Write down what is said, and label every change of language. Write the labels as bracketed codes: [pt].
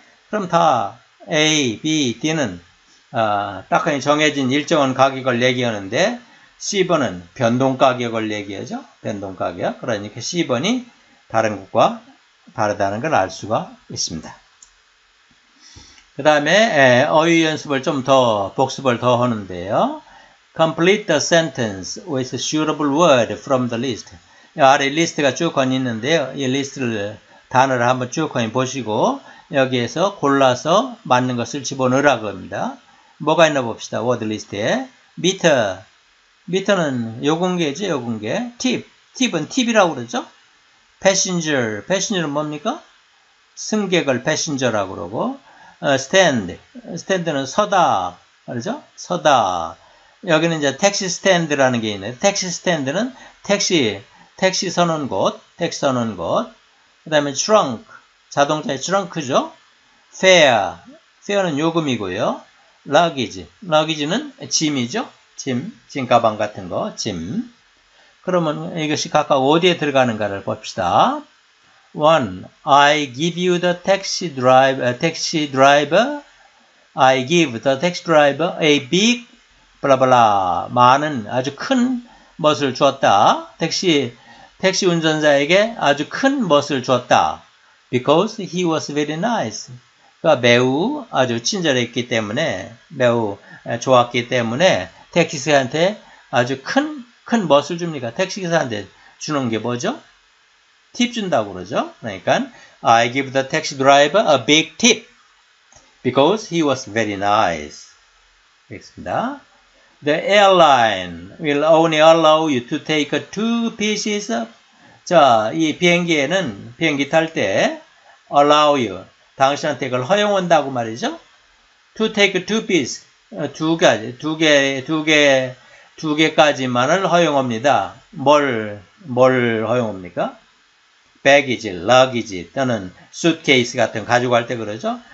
[ko] 그럼 다 A, B, D는 딱 그냥 정해진 일정한 가격을 얘기하는데 C번은 변동 가격을 얘기하죠. 변동 가격. 그러니까 C번이 다른 것과 다르다는 걸알 수가 있습니다. 그 다음에 어휘 연습을 좀더 복습을 더 하는데요. [en] Complete the sentence with a suitable word from the list. [ko] 아래 리스트가 쭉 있는데요. 이 리스트를 단어를 한번 쭉 보시고 여기에서 골라서 맞는 것을 집어넣으라고 합니다. 뭐가 있나 봅시다. 워드 리스트에 미터. 미터는 요금계죠. 요금계. 팁. 팁은 팁이라고 그러죠. 패신저, 패신저는 뭡니까? 승객을 패신저라고 그러고, 스탠드는 서다, 그러죠? 서다. 여기는 이제 택시 스탠드라는 게 있는데, 택시 스탠드는 택시 서는 곳, 택시 서는 곳. 그 다음에 트렁크, 자동차의 트렁크죠? 페어는 요금이고요. 러기지는 짐이죠? 짐 가방 같은 거, 짐. 그러면 이것이 각각 어디에 들어가는가를 봅시다. [en] 1. I give you the taxi driver. I give the taxi driver a big, 블라블라. [ko] 많은, 아주 큰 멋을 주었다. 택시 운전자에게 아주 큰 멋을 주었다. [en] Because he was very nice. [ko] 그가 매우 아주 친절했기 때문에, 매우 좋았기 때문에, 택시한테 아주 큰 멋을 줍니까? 택시기사한테 주는 게 뭐죠? 팁 준다고 그러죠? 그러니까, [en] I give the taxi driver a big tip because he was very nice. [ko] 알겠습니다. [en] The airline will only allow you to take two pieces of. [ko] 자, 이 비행기에는, 비행기 탈 때, [en] allow you. [ko] 당신한테 그걸 허용한다고 말이죠? [en] To take two piece. [ko] 두 개까지만을 허용합니다. 뭘 허용합니까? baggage, luggage, 또는 suitcase 같은 가져갈 때 그러죠?